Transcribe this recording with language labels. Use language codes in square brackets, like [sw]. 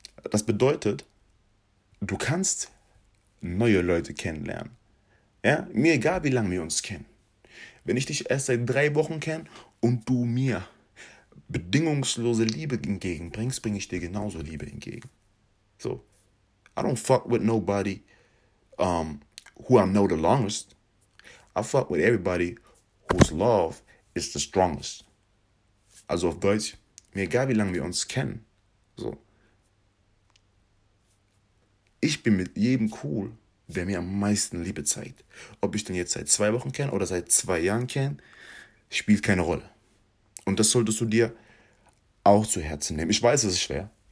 [de] Das bedeutet, du kannst neue Leute kennenlernen. Ja, mir egal, wie lange wir uns kennen. Wenn ich dich erst seit 3 Wochen kenne und du mir bedingungslose Liebe entgegenbringst, bringe ich dir genauso Liebe entgegen. So. [en] I don't fuck with nobody, who I know the longest. I fuck with everybody whose love is the strongest. [de] Also auf Deutsch, mir egal wie lange wir uns kennen. So. Ich bin mit jedem cool, der mir am meisten Liebe zeigt. Ob ich den jetzt seit 2 Wochen kenne oder seit 2 Jahren kenne, spielt keine Rolle. Und das solltest du dir auch zu Herzen nehmen. Ich weiß, es ist schwer.